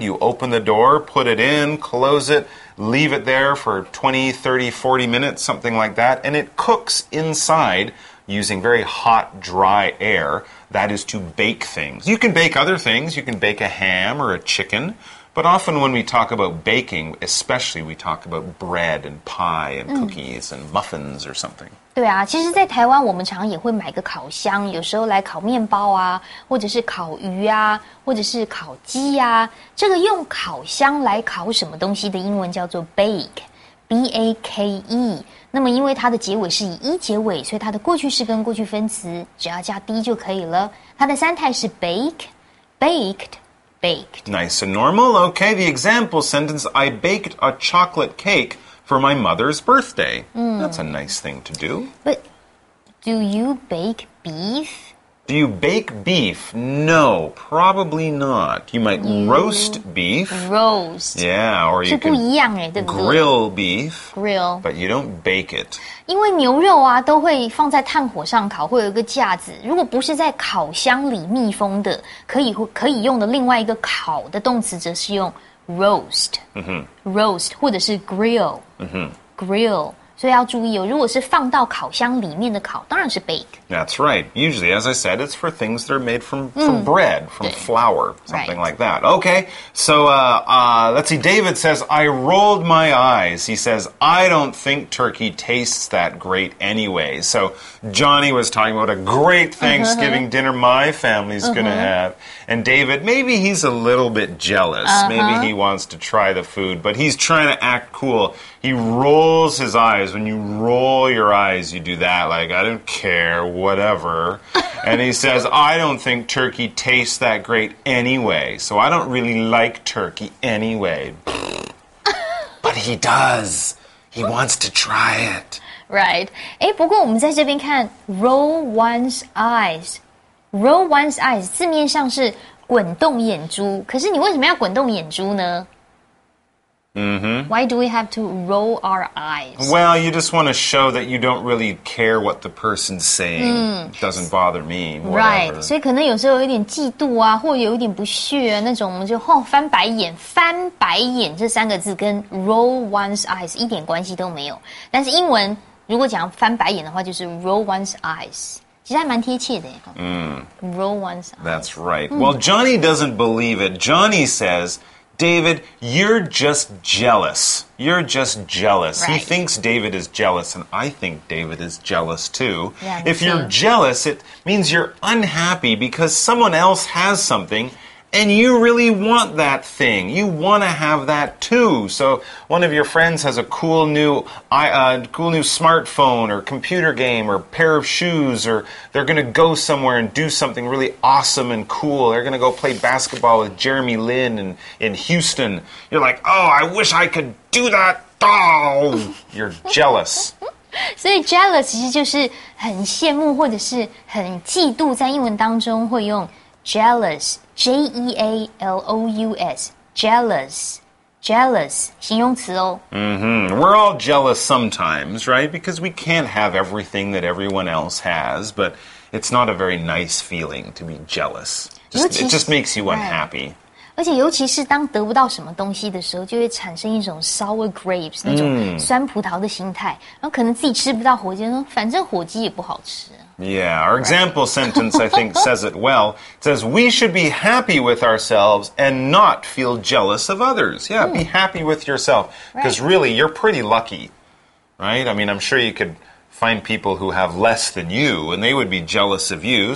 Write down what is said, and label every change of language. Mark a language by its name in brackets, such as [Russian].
[English] You open the door, put it in, close it, leave it there for 20, 30, 40 minutes, something like that, and it cooks inside using very hot, dry air. That is to bake things. You can bake other things. You can bake a ham or a chicken. But often when we talk about baking, especially we talk about bread and pie and cookies and muffins or something. [Chinese] 对啊，其实在台湾我们常也会买个烤箱，有时候来烤面包啊，或者是烤鱼啊，或者是烤鸡啊。这个用烤箱来烤什么东西的英文叫做 bake, B-A-K-E。那么因为它的结尾是以一结尾，所以它的过去式跟过去分词只要加 D 就可以了。它的三态是 bake, baked, baked. [English] Nice and normal. Okay, the example sentence, I baked a chocolate cake for my mother's birthday. That's a nice thing to do. But do you bake beef? Do you bake beef? No, probably not. You might roast beef. Roast. Yeah, or you can grill beef. Grill. But you don't bake it. [Chinese] 因为牛肉啊都会放在炭火上烤，会有一个架子。如果不是在烤箱里密封的，可以用的另外一个烤的动词则是用 roast. Roast, 或者是 grill. [English] Grill. [Chinese] 所以要注意哦，如果是放到烤箱里面的烤，当然是 bake. [English] That's right. Usually, as I said, it's for things that are made from bread, from flour, something like that. Okay, so let's see. David says, I rolled my eyes. He says, I don't think turkey tastes that great anyway. So Johnny was talking about a great Thanksgiving dinner my family's going to have. And David, maybe he's a little bit jealous. Maybe he wants to try the food, but he's trying to act cool. He rolls his eyes. When you roll your eyes, you do that, like, I don't care, whatever. And he says, I don't think turkey tastes that great anyway, so I don't really like turkey anyway. But he does. He wants to try it. Right. [Chinese] 诶，不过我们在这边看 [English] roll one's eyes. Roll one's eyes, [Chinese] 字面上是滚动眼珠。可是你为什么要滚动眼珠呢？ [English] Why do we have to roll our eyes? Well, you just want to show that you don't really care what the person's saying. It doesn't bother me, whatever. [Chinese] Right, 所以可能有时候有点嫉妒啊，或有点不屑啊，那种我们就翻白眼，翻白眼这三个字跟 [English] roll one's eyes [Chinese] 一点关系都没有。但是英文如果讲翻白眼的话就是 [English] roll one's eyes. [Chinese] 其实还蛮贴切的。 [English] Roll one's eyes. That's right. Well, Johnny doesn't believe it. Johnny says... David, you're just jealous. You're just jealous. Right. He thinks David is jealous, and I think David is jealous, too. Yeah, if you're jealous, it means you're unhappy because someone else has something, and you really want that thing. You want to have that, too. So one of your friends has a cool new smartphone or computer game or pair of shoes, or they're going to go somewhere and do something really awesome and cool. They're going to go play basketball with Jeremy Lin in Houston. You're like, oh, I wish I could do that. Oh, you're jealous. [Chinese] 所以 jealous 其实就是很羡慕或者是很嫉妒，在英文当中会用 jealous,J-E-A-L-O-U-S, jealous, jealous, 形容词哦。 [English] We're all jealous sometimes, right? Because we can't have everything that everyone else has, but it's not a very nice feeling to be jealous. It just makes you unhappy. [Chinese] 而且尤其是当得不到什么东西的时候，就会产生一种 sour grapes, 那种酸葡萄的心态。然后可能自己吃不到火鸡，反正火鸡也不好吃。 [English] Yeah, our example sentence, I think, says it well. It says, we should be happy with ourselves and not feel jealous of others. Yeah, be happy with yourself. Because really, you're pretty lucky, right? I mean, I'm sure you could find people who have less than you, and they would be jealous of you.